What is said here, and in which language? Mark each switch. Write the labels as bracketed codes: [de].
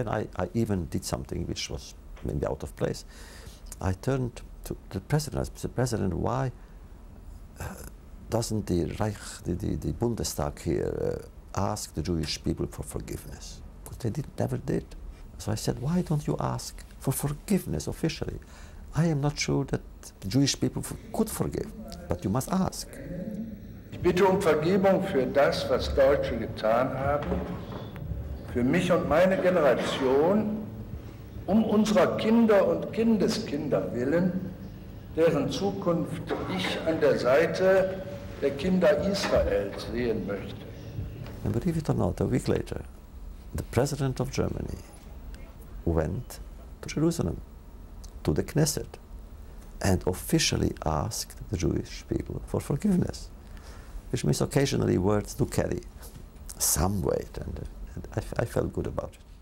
[en] And then I even did something which was maybe out of place. I turned to the president, I said, "President, why doesn't the Reich, the Bundestag here ask the Jewish people for forgiveness?" But they never did. So I said, "Why don't you ask for forgiveness officially? I am not sure that the Jewish people could forgive, but you must ask." [de] Ich bitte um Vergebung für das, was Deutsche getan haben, für mich und meine Generation, um unserer Kinder und Kindeskinder willen, deren Zukunft ich an der Seite der Kinder Israels sehen möchte. [en] And believe it or not, a week later, the president of Germany went to Jerusalem, to the Knesset, and officially asked the Jewish people for forgiveness, which means occasionally words do carry some weight, and I felt good about it.